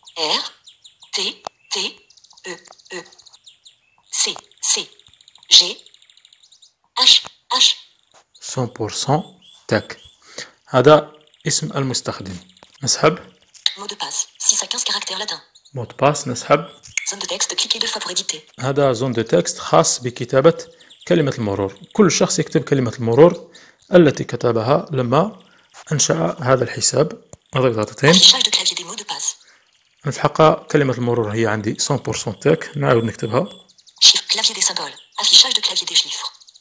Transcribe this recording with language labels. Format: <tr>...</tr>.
<ar>R T T E E C C G H H 100% تك. هذا اسم المستخدم. نسحب.</ar> <fr>Mot de passe 6 à 15 caractères latins. Mot de passe</fr> <ar>نسحب.</ar> <fr>Zone de texte cliquez deux fois pour éditer.</fr> <ar>هذا</ar> <fr>zone de texte</fr> <ar>خاص بكتابة كلمة المرور. كل شخص يكتب كلمة المرور التي كتبها لما أنشأ هذا الحساب. نضغط ضغطتين.</ar> <fr>Affichage de clavier des mots de passe.</fr> <ar>الحق كلمة المرور هي عندي 100% تك. نعاود نكتبها.</ar> <fr>Chiffre clavier des symboles. Affichage de clavier des chiffres.</fr>